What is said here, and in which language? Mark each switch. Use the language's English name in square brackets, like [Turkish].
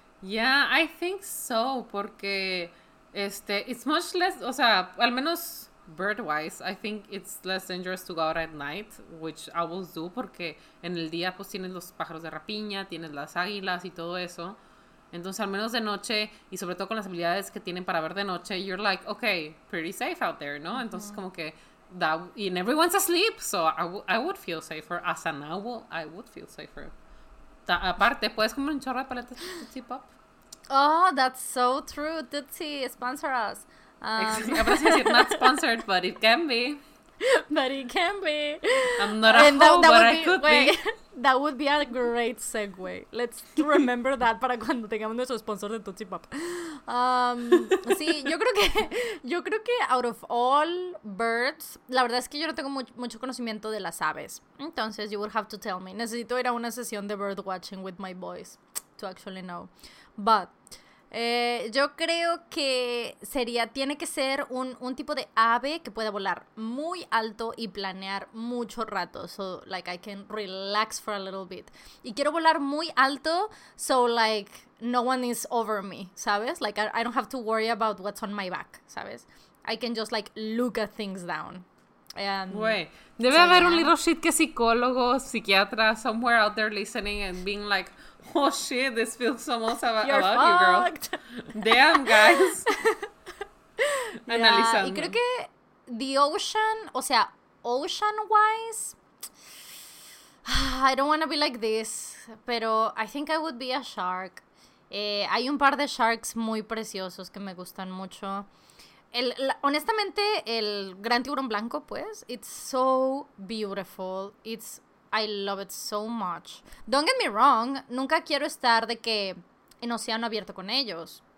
[English] Yeah, I think so, [Spanish] porque [English] it's much less, [Spanish] o sea, al menos bird-wise, [English] I think it's less dangerous to go out at night, which owls do, [Spanish] porque en el día pues tienes los pájaros de rapiña, tienes las águilas y todo eso. Entonces, al menos de noche, y sobre todo con las habilidades que tienen para ver de noche, [English] you're like, okay, pretty safe out there, [Spanish] ¿no? Entonces, como que, [English] and everyone's asleep, so I would feel safer. As an owl, I would feel safer. [Spanish] Aparte, ¿puedes comer un chorro de paletas de Tootsie Pop? [English] Oh, that's so true. Tootsie, sponsor us. It's not sponsored, but it can be. But it can be. I'm not a hoe, but I could be. That would be a great segue. Let's remember that [Spanish] para cuando tengamos nuestro sponsor de Tootsie Pop. Sí, yo creo que [English] out of all birds, [Spanish] la verdad es que yo no tengo mucho conocimiento de las aves. [English] Entonces, you would have to tell me. [Spanish] Necesito ir a una sesión de [English] bird watching with my boys to actually know. [Spanish] But yo creo que tiene que ser un tipo de ave que pueda volar muy alto y planear mucho rato. [English] So, like, I can relax for a little bit. [Spanish] Y quiero volar muy alto, [English] so, like, no one is over me, ¿sabes? Like, I don't have to worry about what's on my back, ¿sabes? I can just, like, look at things down. [Spanish] Güey, debe haber un [English] little shit [Spanish] que psicólogo, psiquiatra, [English] somewhere out there listening and being like, oh shit, this feels almost about fucked. You, girl. Damn, guys. [Spanish] Analizando. Y creo que [English] the ocean, o sea, ocean-wise, I don't want to be like this, pero I think I would be a shark. [Spanish] Hay un par de sharks muy preciosos que me gustan mucho. Honestamente, el gran tiburón blanco, pues, [English] it's so beautiful. I love it so much. Don't get me wrong, [Spanish] nunca quiero estar de que en océano abierto con ellos.